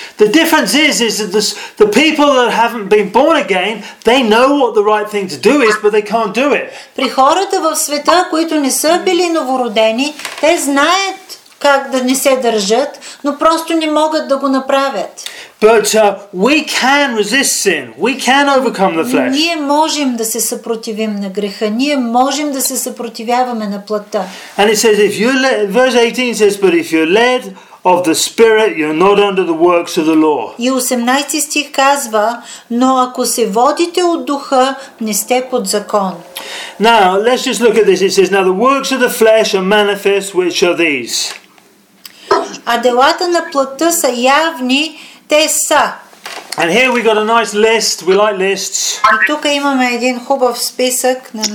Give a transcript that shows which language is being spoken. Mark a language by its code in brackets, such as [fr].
[en] The difference is that the people that haven't been born again, they know what the right thing to do is, but they can't do it. [bg] При хората в света, които не са били новородени, те знаят как да не се държат, но просто не могат да го направят. [en] But we can resist sin. We can overcome the flesh. [bg] Ние можем да се съпротивим на греха. Ние можем да се съпротивяваме на плътта. [en] And it says, if you let, verse 18 says, but if you're led of the Spirit, you're not under the works of the law. [bg] И 18 стих казва, но ако се водите от духа, не сте под закон. [en] Now, let's just look at this. It says, now the works of the flesh are manifest, which are these. [bg] А делата на плътта са явни, те са. [en] And here we got a nice list. We like lists. [bg] Тук имаме един хубав списък.